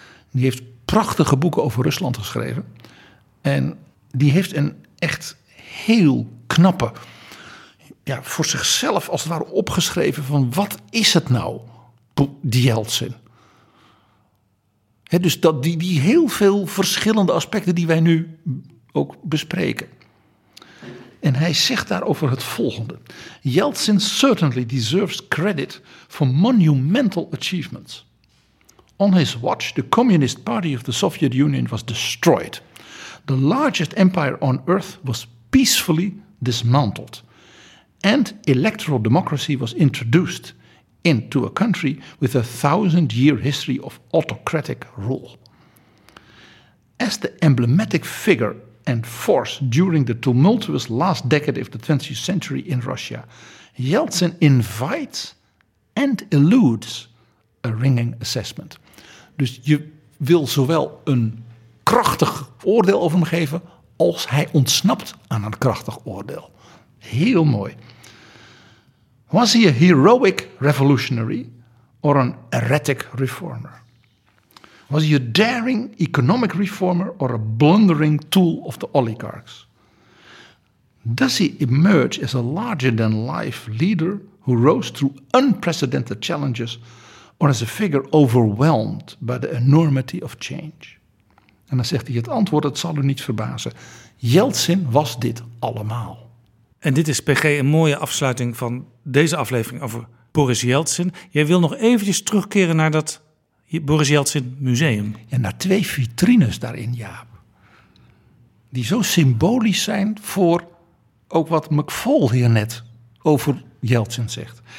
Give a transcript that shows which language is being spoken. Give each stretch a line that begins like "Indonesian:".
Dutch: Die heeft prachtige boeken over Rusland geschreven. En die heeft een echt heel knappe, ja, voor zichzelf als het ware opgeschreven van wat is het nou, die Yeltsin? He, dus dat die heel veel verschillende aspecten die wij nu ook bespreken. En hij zegt daarover het volgende.
English: Yeltsin certainly deserves credit for monumental achievements. On his watch, the Communist Party of the Soviet Union was destroyed. The largest empire on earth was peacefully dismantled. And electoral democracy was introduced into a country with a 1,000-year history of autocratic rule. As the emblematic figure and force during the tumultuous last decade of the 20th century in Russia, Yeltsin invites and eludes a ringing assessment.
Dutch: Dus je wil zowel een krachtig oordeel over hem geven als hij ontsnapt aan een krachtig oordeel. Heel mooi.
English: Was he a heroic revolutionary or an erratic reformer? Was he a daring economic reformer or a blundering tool of the oligarchs? Does he emerge as a larger-than-life leader who rose through unprecedented challenges or as a figure overwhelmed by the enormity of change?
Dutch: En dan zegt hij het antwoord, het zal u niet verbazen. Yeltsin was dit allemaal. En dit is, PG, een mooie afsluiting van deze aflevering over Boris Yeltsin. Jij wil nog eventjes terugkeren naar dat Boris Yeltsin museum. Ja, naar twee vitrines daarin, Jaap. Die zo symbolisch zijn voor ook wat McFaul hier net over Yeltsin zegt.